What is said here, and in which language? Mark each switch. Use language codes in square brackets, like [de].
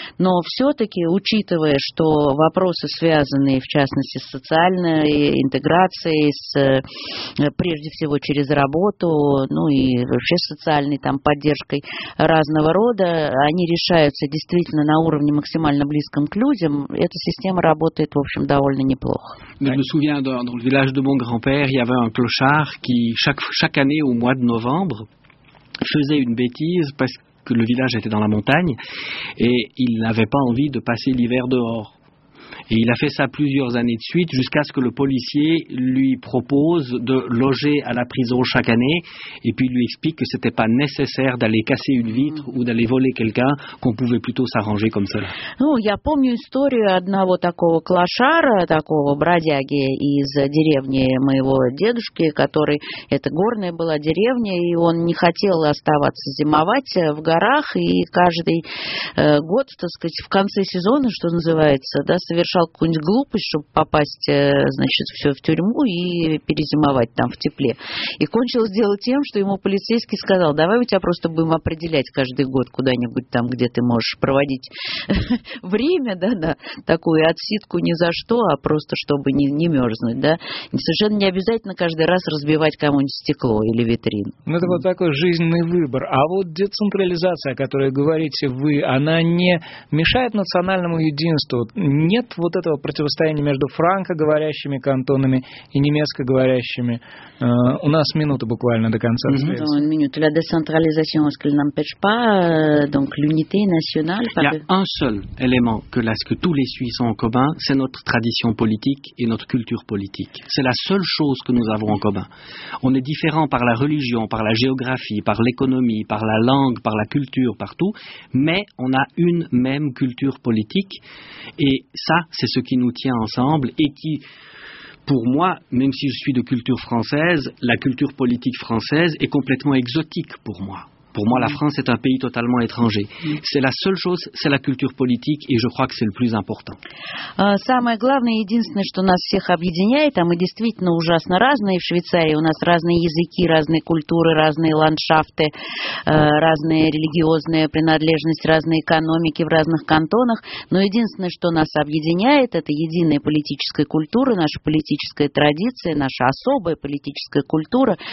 [ru] Но все-таки, учитывая, что вопросы, связанные, в частности, с социальной интеграцией, прежде всего через работу, ну и вообще социальной там поддержкой разного рода, они решаются действительно на уровне максимально близком к людям, эта система работает, в общем, довольно неплохо. [fr] Je me souviens dans le village de mon grand-père, il y avait un clochard qui chaque année au mois de novembre faisait une bêtise parce que le village était dans la montagne et il n'avait pas envie de passer l'hiver dehors. Et il a fait ça plusieurs années de suite jusqu'à ce que le policier lui propose de loger à la prison chaque année et puis lui explique que c'était pas nécessaire d'aller casser une vitre ou d'aller voler quelqu'un, qu'on pouvait plutôt s'arranger comme cela. [ru] Ну, я помню историю одного такого клошара, такого бродяги из деревни моего дедушки, который это горная была деревня, и он не хотел оставаться зимовать в горах, и каждый год, так сказать, в конце сезона, что называется, да, совершал какую-нибудь глупость, чтобы попасть, значит, все в тюрьму и перезимовать там в тепле. И кончилось дело тем, что ему полицейский сказал: давай мы тебя просто будем определять каждый год куда-нибудь там, где ты можешь проводить время, да, на такую отсидку ни за что, а просто чтобы не мерзнуть, да. Совершенно не обязательно каждый раз разбивать кому-нибудь стекло или витрину. Ну, это вот такой жизненный выбор. А вот децентрализация, о которой говорите вы, она не мешает национальному единству? Нет вот этого противостояния между франко-говорящими кантонами и немецко-говорящими. У нас минута буквально до конца. Минута. [fr] La décentralisation, est-ce qu'elle n'empêche pas donc l'unité nationale? Il y a un seul élément que tous les Suisses ont en commun, c'est notre tradition politique et notre culture politique. C'est la seule chose que nous avons en commun. On est différents par la religion, par la géographie, par l'économie, par la langue, par la culture, partout, mais on a une même culture politique et ça, c'est ce qui nous tient ensemble et qui, pour moi, même si je suis de culture française, la culture politique française est complètement exotique pour moi. Pour moi, la France est un pays totalement étranger. C'est la seule chose, c'est la culture politique, et je crois que c'est le plus important. [ru] Самое главное, единственное, что нас всех объединяет, а мы действительно ужасно разные в Швейцарии, у нас разные языки, разные культуры, разные ландшафты, разные религиозные принадлежности, разные экономики в разных кантонах, но единственное, что нас объединяет, это единая политическая культура, наша политическая традиция, наша особая политическая культура.